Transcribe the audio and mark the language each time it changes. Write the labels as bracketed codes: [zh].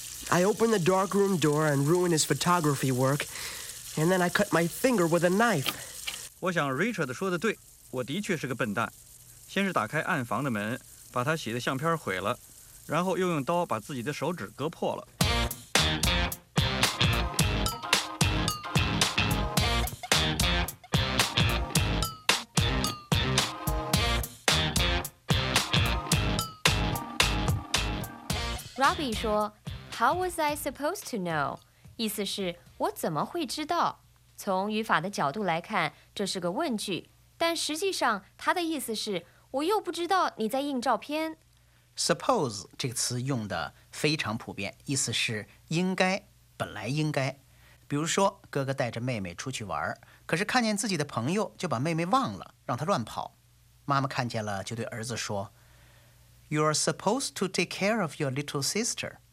[en] I opened the darkroom door and ruined his photography work, and then I cut my finger with a knife. [zh] 我想 Richard 说的对，我的确是个笨蛋。先是打开暗房的门，把他洗的相片毁了，然后又用刀把自己的手指割破了。 Robbie 说 [en] How was I supposed to know? [zh] 意思是我怎么会知道从语法的角度来看这是个问句但实际上它的意思是我又不知道你在印照片 Suppose 这个词用的非常普遍意思是应该本来应该比如说哥哥带着妹妹出去玩可是看见自己的朋友就把妹妹忘了让她乱跑妈妈看见了就对儿子说 [en] You're supposed to take care of your little sister.